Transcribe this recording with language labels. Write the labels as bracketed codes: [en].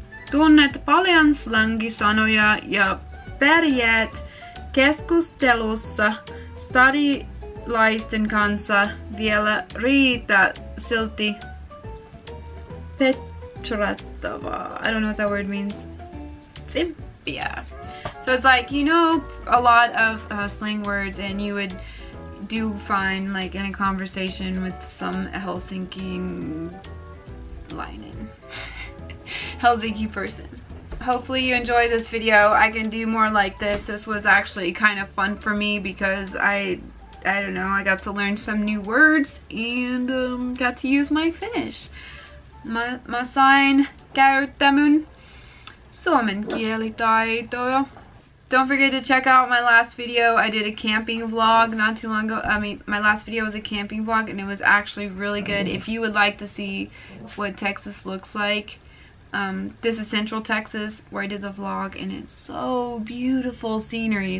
[fi] Tunnet paljon slangisanoja ja pärjäät keskustelussa stadilaisten kanssa vielä riitä silti petrattavaa. [en] I don't know what that word means. Tsimppiä. So it's like, you know a lot of slang words and you would do fine like in a conversation with some Helsinki lining. Helsinki person. Hopefully you enjoy this video. I can do more like this. This was actually kind of fun for me because I don't know, I got to learn some new words and got to use my Finnish. [fi] Mä sain käyttää mun suomen kielitaitoja. [en] Don't forget to check out my last video. I did a camping vlog not too long ago. I mean, my last video was a camping vlog and it was actually really good. If you would like to see what Texas looks like, this is Central Texas where I did the vlog and it's so beautiful scenery.